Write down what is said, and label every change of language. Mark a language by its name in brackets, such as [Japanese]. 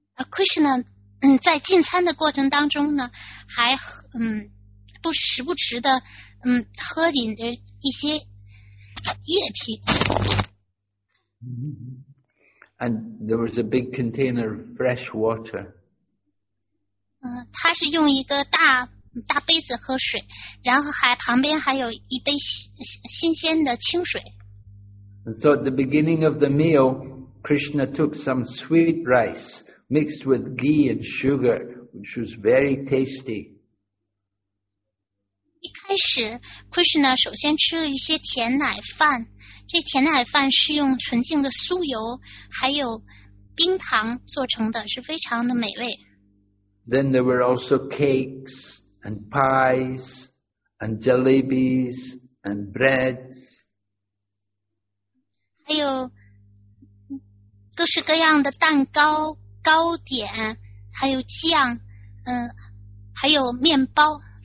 [Chinese] Krishna, 在进餐的过程当中呢，还不时不时的喝饮着一些液体。 [English] And there was a big container of fresh water. [Chinese] 他是用一个大杯子喝水，然后还旁边还有一杯新鲜的清水。 [English] So at the beginning of the meal, Krishna took some sweet rice mixed with ghee and sugar, which was very tasty. [Chinese] 一开始 ，Krishna 首先吃了一些甜奶饭，这甜奶饭是用纯净的酥油还有冰糖做成的，是非常的美味。 [English] Then there were also cakes and pies and jalebis and breads. [Chinese] 还有各式各样的蛋糕、糕点，还有酱，还有面包。